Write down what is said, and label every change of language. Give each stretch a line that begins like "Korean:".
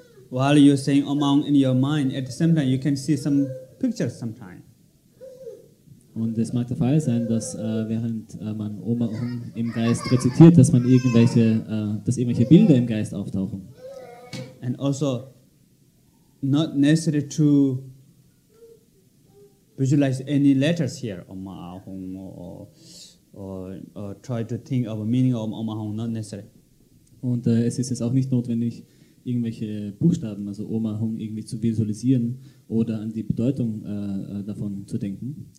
English: While you're saying Oman in your mind, at the same time you can see some pictures sometimes.
German: Und es mag der Fall sein, dass während man Oman im Geist rezitiert, dass man irgendwelche Bilder im Geist auftauchen.
English: And also not necessary to visualize any letters here, Om Ahong, or try to think of a meaning of Om Ahong, not necessary.
German: Und es ist jetzt auch nicht notwendig, irgendwelche Buchstaben, also Om Ahong, irgendwie zu visualisieren oder an die Bedeutung davon zu denken.